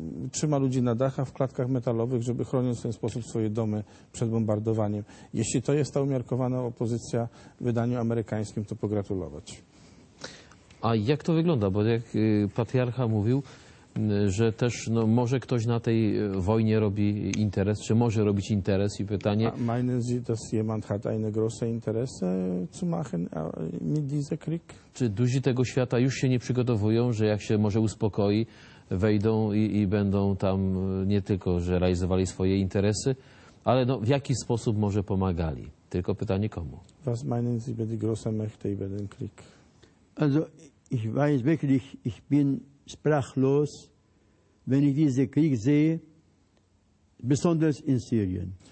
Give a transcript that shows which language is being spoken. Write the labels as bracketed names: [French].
[Polish] Trzyma ludzi na dachach, w klatkach metalowych, żeby chronić w ten sposób swoje domy przed bombardowaniem. Jeśli to jest ta umiarkowana opozycja w wydaniu amerykańskim, to pogratulować. A jak to wygląda? Bo jak patriarcha mówił, że też no, może ktoś na tej wojnie robi interes, czy może robić interes, i pytanie... [German] Meinen Sie, dass jemand hat eine große Interesse zu machen mit diesem Krieg? [Polish] Czy duzi tego świata już się nie przygotowują, że jak się może uspokoi, wejdą i będą tam nie tylko, że realizowali swoje interesy, ale no, w jaki sposób może pomagali? Tylko pytanie komu? [German] Was meinen Sie mit der großen Mächte über den Krieg? Also, ich weiß wirklich, ich bin sprachlos, wenn ich diesen Krieg sehe, besonders in Syrien.